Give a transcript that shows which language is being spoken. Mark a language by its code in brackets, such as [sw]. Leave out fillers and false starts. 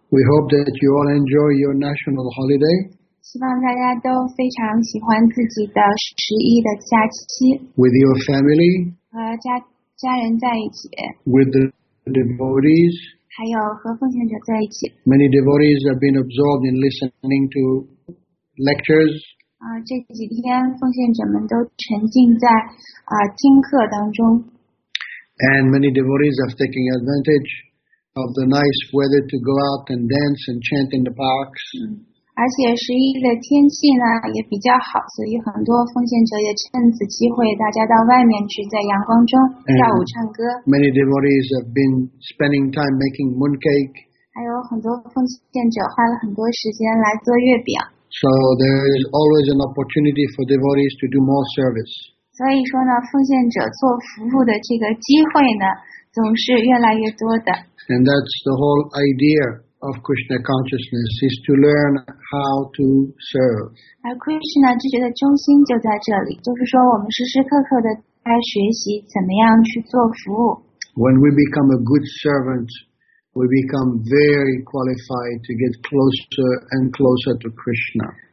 [en] We hope that you all enjoy your national holiday. [zh] 希望大家都非常喜欢自己的十一的假期。 [en] With your family. [zh] 和家人在一起。 [en] With the devotees. [zh] 还有和奉献者在一起。 [en] Many devotees have been absorbed in listening to lectures. [zh] 这几天奉献者们都沉浸在听课当中。 [en] And many devotees are taking advantage of the nice weather to go out and dance and chant in the parks. [zh] 而且十一的天气呢也比较好，所以很多奉献者也趁此机会，大家到外面去，在阳光中跳舞唱歌。 [en] Many devotees have been spending time making mooncake. [zh] 还有很多奉献者花了很多时间来做月饼。 [en] So there is always an opportunity for devotees to do more service. [zh] 所以说呢，奉献者做服务的这个机会呢，总是越来越多的。 [en] And that's the whole idea. Of Krishna consciousness is to learn how to serve. [zh] Our Krishna 知觉的中心就在这里，就是说我们时时刻刻的在学习怎么样去做服务。 [en] When we become a good servant, we become very qualified to get closer and closer to Krishna.